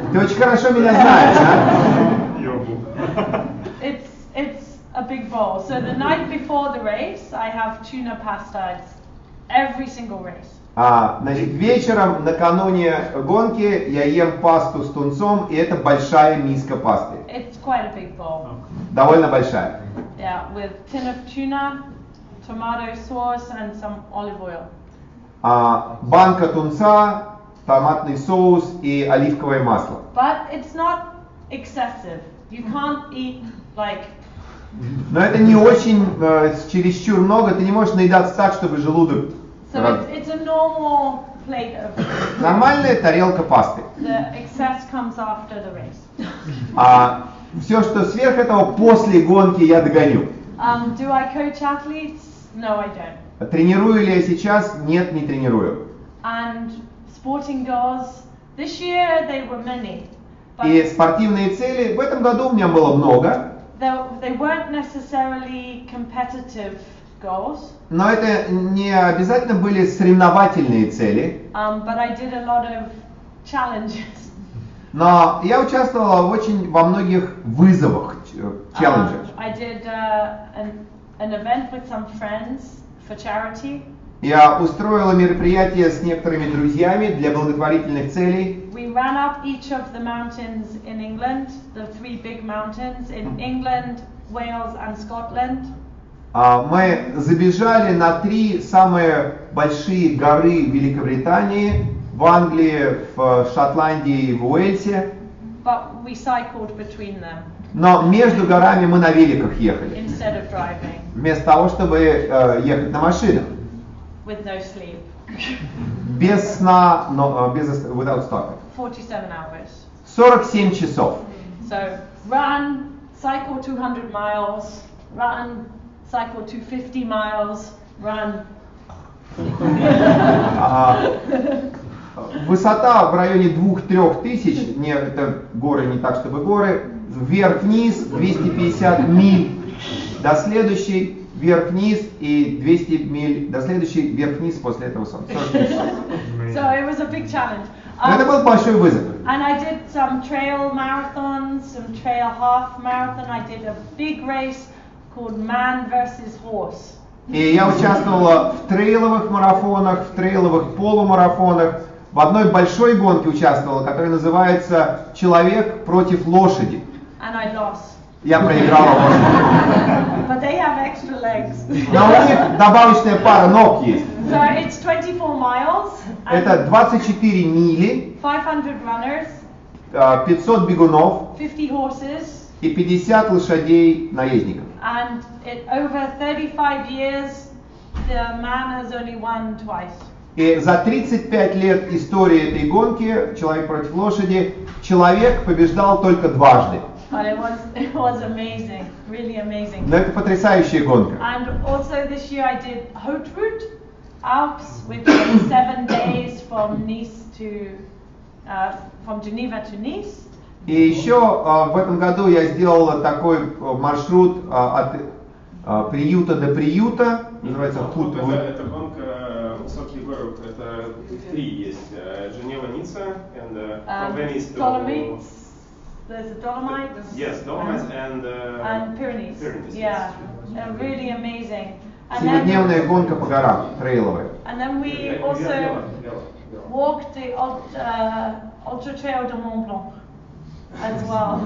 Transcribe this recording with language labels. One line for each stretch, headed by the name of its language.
Russian: Ты очень хорошо меня знаешь, а?
English: It's a big bowl. So the night before the race, I have tuna pasta every single race.
Russian: А, значит, вечером накануне гонки я ем пасту с тунцом, и это большая миска пасты.
English: It's quite a big bowl.
Russian: Довольно большая.
English: Yeah, with tin of tuna, tomato sauce and some olive oil.
Russian: А, банка тунца, томатный соус и оливковое масло.
English: But it's not excessive. You can't eat like.
Russian: Но это не очень чересчур много. Ты не можешь наедаться так, чтобы желудок.
English: So it's a normal plate of.
Russian: Нормальная тарелка пасты.
English: The excess comes after the race.
Russian: А все, что сверх этого, после гонки я догоню.
English: Do I coach athletes? No, I don't.
Russian: Тренирую ли я сейчас? Нет, не тренирую.
English: And sporting goals this year they were many.
Russian: И спортивные цели в этом году у меня было много.
English: They weren't necessarily competitive goals.
Russian: Но это не обязательно были соревновательные цели.
English: But I did a lot of challenges.
Russian: Но я участвовала очень во многих вызовах, челленджах.
English: I did an event with some friends for charity.
Russian: Я устроила мероприятие с некоторыми друзьями для благотворительных целей.
English: We ran up each of the mountains in England, the three big mountains in England, Wales and Scotland.
Russian: Мы забежали на три самые большие горы в Великобритании, в Англии, в Шотландии и в Уэльсе.
English: But we cycled between them.
Russian: Но между горами мы на великах ехали.
English: Instead of driving.
Russian: Вместо того, чтобы ехать на машинах.
English: With no sleep.
Russian: Без сна, но без
English: without stopping. 47 hours.
Russian: 47 часов.
English: So run, cycle 200 miles, run, cycle 250 miles, run.
Russian: Высота в районе 2-3 тысяч, не это горы, не так чтобы горы, вверх-вниз 250 миль до следующей. Вверх-вниз и 200 миль до следующей, вверх-вниз после этого солнца.
English: So it was a big challenge.
Russian: Это был большой вызов.
English: And I did some trail marathons, some trail half marathon. I did a big race called Man versus Horse.
Russian: И я участвовала в трейловых марафонах, в трейловых полумарафонах. В одной большой гонке участвовала, которая называется «Человек против лошади».
English: And I lost.
Russian: Я проиграла.
English: But they have extra legs.
Russian: Но у них добавочная пара ног есть.
English: So it's 24 miles.
Russian: Это 24 мили.
English: 500 runners.
Russian: 500 бегунов.
English: 50 horses.
Russian: И 50 лошадей наездников.
English: And it, over 35 years, the man has only won twice.
Russian: И за 35 лет истории этой гонки «Человек против лошади» человек побеждал только дважды.
English: But it was amazing, really amazing.
Russian: Но это потрясающая гонка.
English: And also this year I did Haute Route Alps, which is 7 days from Nice to from Geneva to Nice.
Russian: И еще в этом году я сделала такой маршрут от приюта до приюта, называется Haute Route. Это гонка высокие горы. Это три есть: Geneva, Nice,
English: and Venice to Dolomites. There's the Dolomites. Yes, Dolomites and Pyrenees. Pyrenees. Yeah, really amazing.
Russian: Семидневная гонка по горам, трейловая.
English: And then we also walked the Ultra Trail de Mont Blanc as well.